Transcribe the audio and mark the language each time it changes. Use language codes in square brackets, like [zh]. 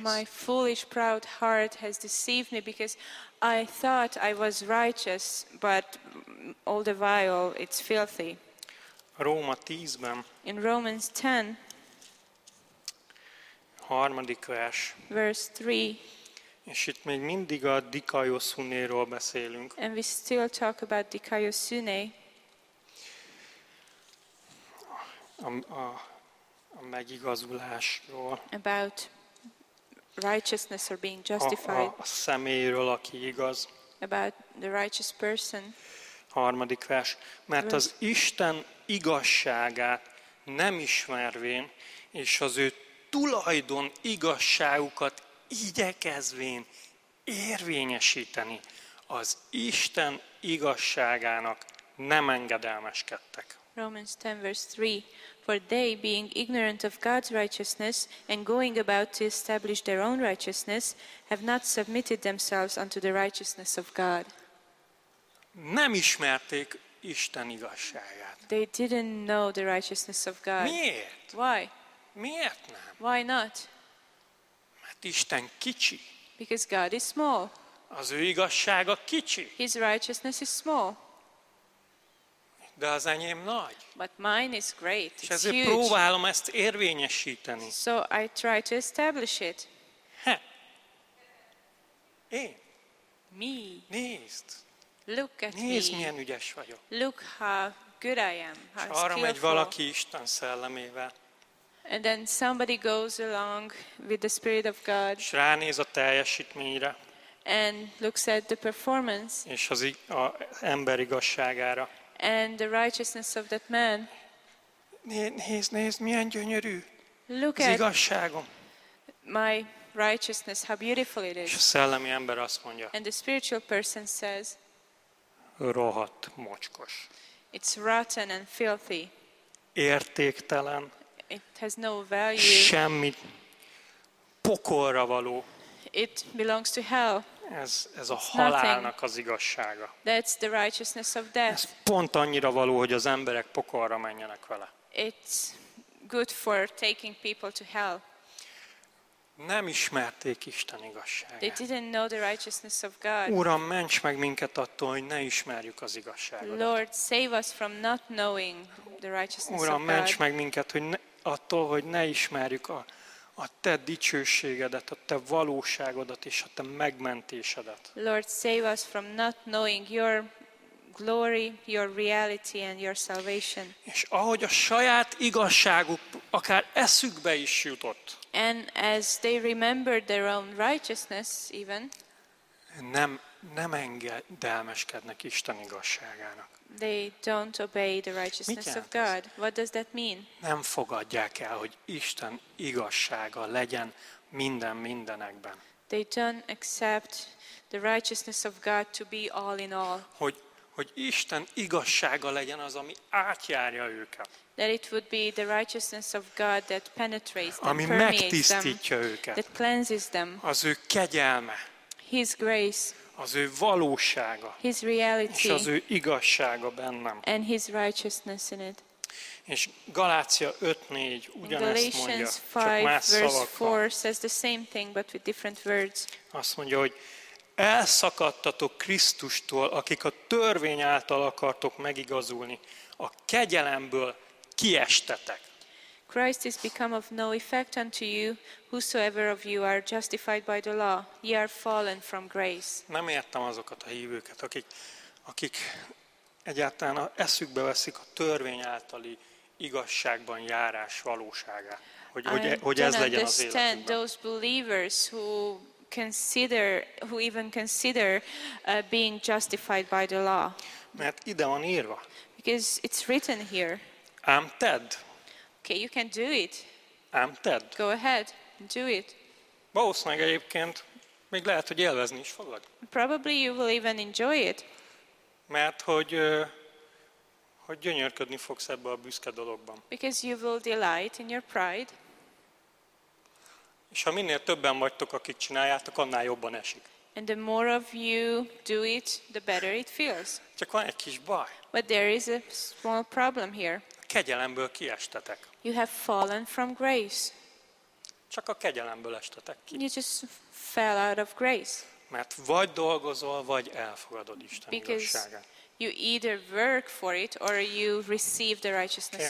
[en] My foolish proud heart has deceived me because I thought I was righteous, but all the while it's filthy. [hu] Róma 10-ben. [en] In Romans 10. [hu] 3. vers. [en] Verse 3. [hu] És itt még mindig a dikaiosuné-ről beszélünk. [en] And we still talk about dikaiosuné. [hu] A megigazulásról. [en] About righteousness or being justified. [hu] A személyről, aki igaz. [en] About the righteous person. [hu] 3. vers. Mert az Isten igazságát nem ismervén, és az ő tulajdon igazságukat igyekezvén érvényesíteni, az Isten igazságának nem engedelmeskedtek. [en] Romans 10 verse 3. For they, being ignorant of God's righteousness and going about to establish their own righteousness, have not submitted themselves unto the righteousness of God. [hu] Nem ismerték Isten igazságát. [en] They didn't know the righteousness of God. [hu] Miért? [en] Why? [hu] Miért nem? [en] Why not? [hu] Mert Isten kicsi. [en] Because God is small. [hu] Az ő igazsága kicsi. [en] His righteousness is small. [hu] De az enyém nagy. [en] But mine is great. [hu] És ezért próbálom ezt érvényesíteni. [en] So I try to establish it. [hu] Én. [en] Me. [hu] Nézd. [en] Look at me. [hu] Nézd, milyen ügyes vagyok. [en] Look how good I am. [hu] És arra megy valaki Isten szellemével. [en] And then somebody goes along with the Spirit of God. [hu] És ránéz a teljesítményre. [en] And looks at the performance. [hu] És az ember igazságára. [en] And the righteousness of that man. [hu] Nézd, milyen gyönyörű. [en] Look [hu] az igazságom. [en] My righteousness, how beautiful it is. [hu] És a szellemi ember azt mondja. [en] And the spiritual person says. [hu] Rohadt, mocskos. [en] It's rotten and filthy. [hu] Értéktelen. [en] It has no value. [hu] Semmi. Pokolra való. [en] It belongs to hell. [hu] Ez a halálnak az igazsága. [en] That's the righteousness of death. [hu] Ez pont annyira való, hogy az emberek pokolra menjenek vele. [en] It's good for taking people to hell. [hu] Nem ismerték Isten igazságát. [en] They didn't know the righteousness of God. [hu] Uram, ments meg minket attól, hogy ne ismerjük az igazságot. [en] Lord, save us from not knowing the righteousness of God. [hu] Uram, ments meg minket, hogy attól, hogy ne ismerjük a te dicsőségedet, a te valóságodat és a te megmentésedet. [en] Lord, save us from not knowing your glory, your reality and your salvation. [hu] És ahogy a saját igazságuk akár eszükbe is jutott. [en] And as they remembered their own righteousness even. [hu] Nem engedelmeskednek Isten igazságának. [en] They don't obey the righteousness of God. What does that mean? [hu] Nem fogadják el, hogy Isten igazsága legyen minden mindenekben. [en] They don't accept the righteousness of God to be all in all. [hu] Hogy Isten igazsága legyen az, ami átjárja őket. [en] That it would be the righteousness of God that penetrates them, [hu] ami megtisztítja őket. [en] That cleanses them. [hu] Az ő kegyelme. [en] His grace. [hu] az ő valósága, [en] his reality, [hu] és az ő igazsága bennem. [en] And his righteousness in it. [hu] És Galácia 5:4 ugyanezt mondja, [en] Galatians [hu] 5, csak más [en] verse [hu] szavakkal. [en] 4 says the same thing but with different words. [hu] Azt mondja, hogy elszakadtatok Krisztustól, akik a törvény által akartok megigazulni, a kegyelemből kiestetek. [en] Christ is become of no effect unto you, whosoever of you are justified by the law, ye are fallen from grace. [hu] Nem értem azokat a hívőket, akik egyáltalán eszükbe veszik a törvény általi igazságban járás valóságát, hogy ez legyen az életükben. [en] I don't understand those believers who even consider being justified by the law. [hu] Mert ide van írva. [en] Because it's written here. [hu] Ám tedd. [en] Okay, you can do it. [hu] Ám tedd. [en] Go ahead, do it. [hu] Valószínűleg egyébként még lehet, hogy élvezni is fogod. [en] Probably you will even enjoy it. [hu] Mert hogy gyönyörködni fogsz ebbe a büszke dologban. [en] Because you will delight in your pride. [hu] És ha minél többen vagytok, akik csináljátok, annál jobban esik. [en] And the more of you do it, the better it feels. [hu] Csak van egy kis baj. [en] But there is a small problem here. [hu] A kegyelemből kiestetek. [en] You have fallen from grace. [hu] Csak a kegyelemből estetek ki. [en] You just fell out of grace. [hu] Mert vagy dolgozol, vagy elfogadod Isten [en] Because [hu] igazságát. [en] You either work for it or you receive the righteousness